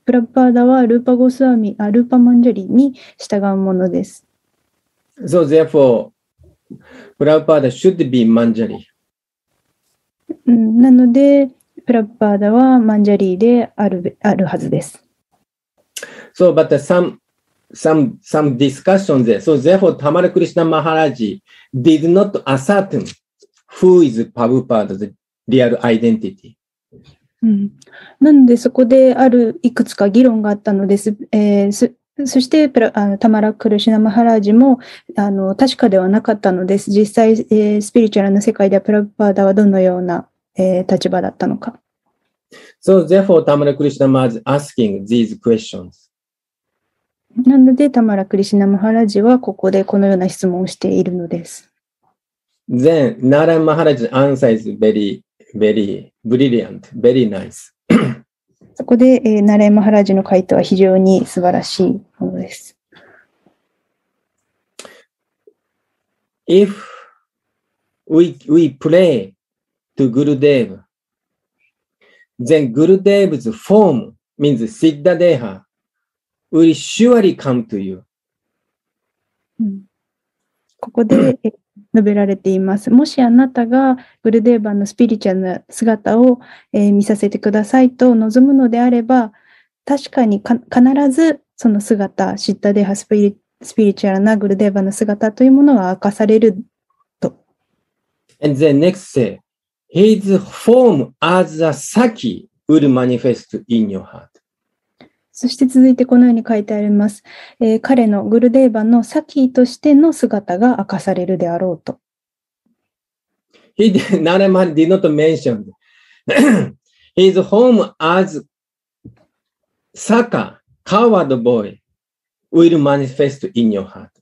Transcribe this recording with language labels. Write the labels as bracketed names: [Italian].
[Japanese] プラブパーダはルーパゴスワミ、ルーパマンジャリに従うものです。 [English] So therefore, Prabhupada should be Manjari. [Japanese] なので、プラッパーダはマンジャリーである、はずです。 [English] So, but some discussion there. So, therefore, Tamara Krishna Maharaji did not ascertain who is Prabhupada's real identity. [Japanese] なので、そこであるいくつか議論があったのです。そしてタマラ・クルシナ・マハラージも確かではなかったのです。実際、スピリチュアルな世界ではプラパーダはどのような、立場だったのか。 [English] So therefore Tamara Krishna Maharaj is asking these questions. [Japanese] なのでタマラ・クルシナ・マハラージはここでこのような質問をしているのです。 [English] Then Nara Maharaj's answer is very very brilliant, very nice. [Japanese] そこで、ナレマハラジの回答は非常に素晴らしいものです。 [English] If we pray to Gurudev, then Gurudev's form means Siddha Deha will surely come to you.、 [Japanese] うん、ここで述べられています。もしあなたがグルデーバのスピリチュアルな姿を、見させてくださいと望むのであれば、確かに必ずその姿、シッタデーハスピリチュアルなグルデーバの姿というものが明かされると。 [English] And then next say, his form as a Saki will manifest in your heart. [Japanese] そして続いてこのように書いてあります。彼のグルデーバのサキーとしての姿が明かされるであろうと。 [English] He did, Nara Maharaj did not mention his home as Saka, coward boy, will manifest in your heart.